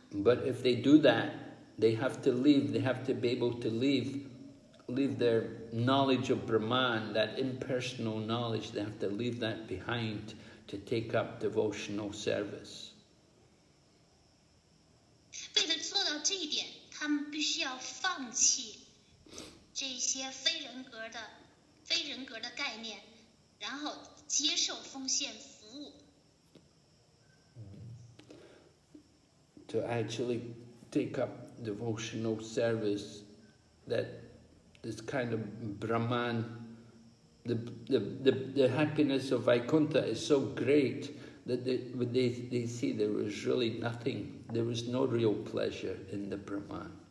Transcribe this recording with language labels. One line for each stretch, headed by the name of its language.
English: But if they do that, they have to leave, they have to be able to leave their knowledge of Brahman, that impersonal knowledge, they have to leave that behind to take up devotional service.
Chinese: 为了做到这一点,他们必须要放弃这些非人格的概念,然后接受奉献服务。
English: To actually take up devotional service, that this kind of Brahman, the happiness of Vaikuntha is so great that they see there was really nothing, there was no real pleasure in the Brahman.